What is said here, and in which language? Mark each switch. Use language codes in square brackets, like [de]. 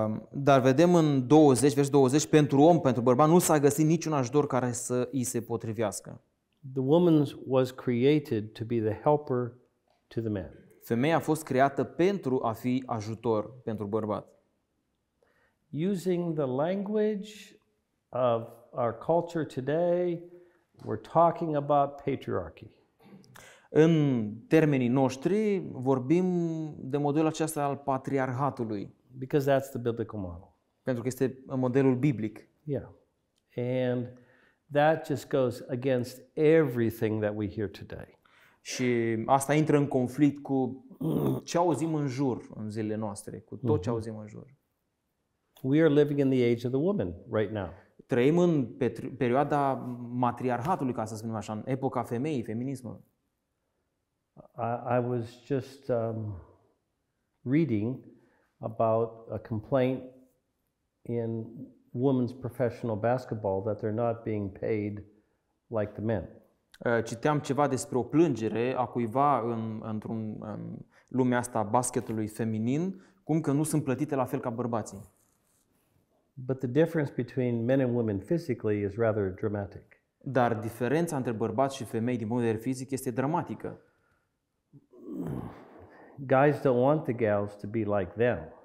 [ro] Dar vedem în 20, versetul 20, pentru om, pentru bărbat, nu s-a găsit niciun ajutor care să îi se potrivească. [en] The woman was created to be the helper to the man. [ro] Femeia a fost creată pentru a fi ajutor pentru bărbat. [en] Using the language of our culture today, we're talking about patriarchy. [ro] În termenii noștri, vorbim de modelul acesta al patriarhatului. [en] Because that's the biblical model. [ro] Pentru că este modelul biblic. [en] Yeah. And that just goes against everything that we hear today. [ro] Și asta intră în conflict cu ce auzim în jur în zilele noastre, cu tot ce auzim în jur. [en] We are living in the age of the woman right now. [ro] Trăim în perioada matriarhatului, ca să spunem așa, în epoca femeii, feminismul. [en] I was just reading about a complaint in women's professional basketball that they're not being paid like the men. [ro] Citeam ceva despre o plângere a cuiva în lumea asta basketului feminin, cum că nu sunt plătite la fel ca bărbații. [en] But the difference between men and women physically is rather dramatic. [ro] Dar diferența între bărbați și femei din punct de vedere fizic este dramatică. [en] Guys don't want the gals to be like them.